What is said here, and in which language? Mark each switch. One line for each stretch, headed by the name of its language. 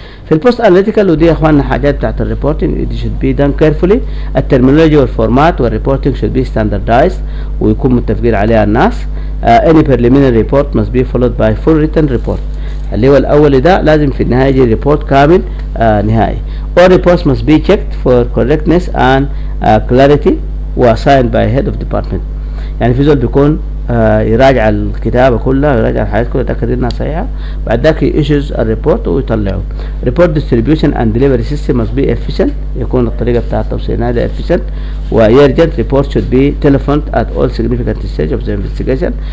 Arabic: في البوست اناليتيكال ودي يا اخواننا حاجات بتاعت الريبورتنج دي
English: Should be done carefully.
Arabic: الترمينولوجي والفورمات والريبورتنج
English: should be standardise
Arabic: ويكون متفقين عليها الناس.
English: Any preliminary report must be followed by full written report.
Arabic: اللي هو الأول ده لازم في النهاية يجي ريبورت كامل نهائي.
English: All reports must be checked for correctness and clarity وassigned by head of department.
Arabic: يعني في زول بيكون يراجع الكتابة كلها ويراجع الحاجات كلها يتأكد إنها صحيحة. بعد ذاك
English: issues a report
Arabic: ويطلعه.
English: Report distribution and delivery system must be efficient.
Arabic: يكون الطريقة بتاعة توصيلها دي efficient.
English: و urgent report should be telephoned at all significant stage of the investigation.